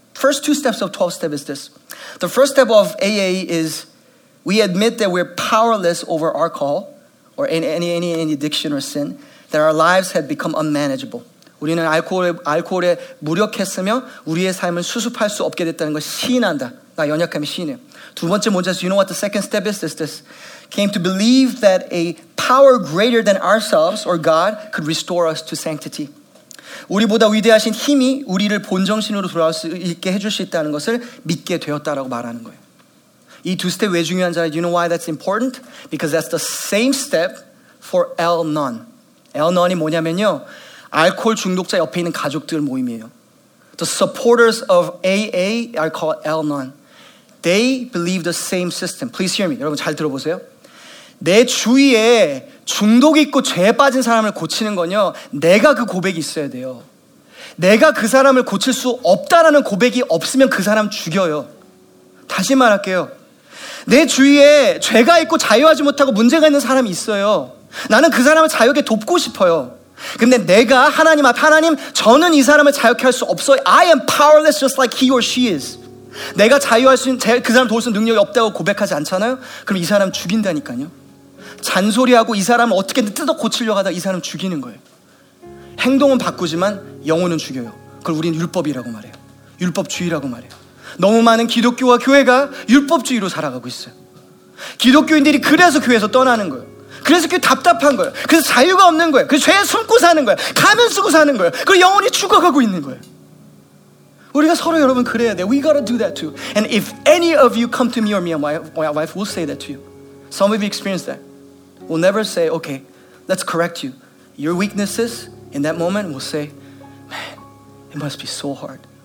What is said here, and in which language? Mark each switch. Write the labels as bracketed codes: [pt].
[en] The first two steps of 12 step is this. The first step of AA is we admit that we're powerless over alcohol or any addiction or sin. That our lives had become unmanageable. [ko] 우리는 알코올에 무력했으며 우리의 삶을 수습할 수 없게 됐다는 걸 시인한다. 나 연약함이 시인해. 두 번째 문제에서 [en] you know what the second step is? This came to believe that a power greater than ourselves or God could restore us to sanctity. [ko] 우리보다 위대하신 힘이 우리를 본정신으로 돌아올 수 있게 해줄 수 있다는 것을 믿게 되었다라고 말하는 거예요. 이 두 스텝 왜 중요한지 [en] you know why that's important? Because that's the same step for Al-Anon. [ko] Al-Anon이 뭐냐면요. 알코올 중독자 옆에 있는 가족들 모임이에요. The supporters of AA are called Al-Anon. [en] They believe the same system. Please hear me. [ko] 여러분 잘 들어보세요. 내 주위에 중독 있고 죄에 빠진 사람을 고치는 건요. 내가 그 고백이 있어야 돼요. 내가 그 사람을 고칠 수 없다라는 고백이 없으면 그 사람 죽여요. 다시 말할게요. 내 주위에 죄가 있고 자유하지 못하고 문제가 있는 사람이 있어요. 나는 그 사람을 자유하게 돕고 싶어요. 근데 내가 하나님 앞에 하나님 저는 이 사람을 자유케 할 수 없어요. [en] I am powerless just like he or she is. [ko] 내가 자유할 수 있는 그 사람 도울 수 있는 능력이 없다고 고백하지 않잖아요. 그럼 이 사람 죽인다니까요. 잔소리하고 이 사람을 어떻게든 뜯어 고치려고 하다가 이 사람 죽이는 거예요. 행동은 바꾸지만 영혼은 죽여요. 그걸 우리는 율법이라고 말해요. 율법주의라고 말해요. 너무 많은 기독교와 교회가 율법주의로 살아가고 있어요. 기독교인들이 그래서 교회에서 떠나는 거예요. 그래서 그게 답답한 거예요. 그래서 자유가 없는 거예요. 그래서 죄에 숨고 사는 거예요. 가면 쓰고 사는 거예요. 그리고 영혼이 죽어가고 있는 거예요. 우리가 서로 여러분 그래야 돼. [en] We gotta do that too. And if any of you come to me or me and my wife, we'll say that to you. Some of you experience that. We'll never say, okay, let's correct you. Your weaknesses in that moment, we'll say, man, it must be so hard.